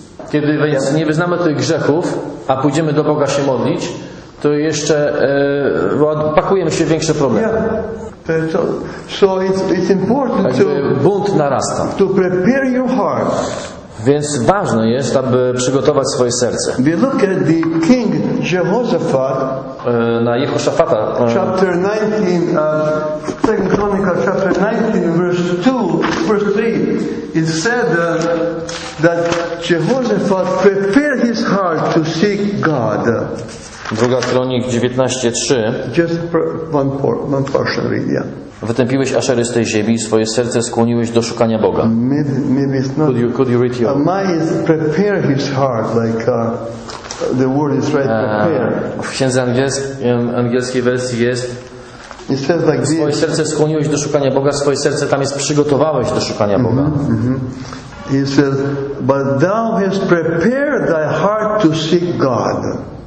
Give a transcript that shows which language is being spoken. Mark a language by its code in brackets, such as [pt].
[pl] Kiedy więc nie wyznamy tych grzechów, a pójdziemy do Boga się modlić, to jeszcze pakujemy się w większe problemy. [en] Yeah. So it's important [pl] bunt narasta. [en] To prepare your heart. [pl] Więc ważne jest, aby przygotować swoje serce. [en] We look at the King Jehoshaphat, [pl] na Jehoszafata, [en] chapter 19, 2 Chronicles chapter 19, verse 2, verse 3. It said that Jehoshaphat prepared his heart to seek God. [pl] Druga Kronik 19:3. [en] Just one portion, really. [pl] Wytępiłeś Aszery z tej ziemi i swoje serce skłoniłeś do szukania Boga. [en] Maybe it's not. Could you read your... Mine is prepare his heart, like the word is right, prepare. [pl] W księdze angielskiej wersji jest: [en] it says like this. [pl] Swoje serce skłoniłeś do szukania Boga, swoje serce tam jest przygotowałeś do szukania Boga. [en] He says, but thou hast prepared thy heart to seek God.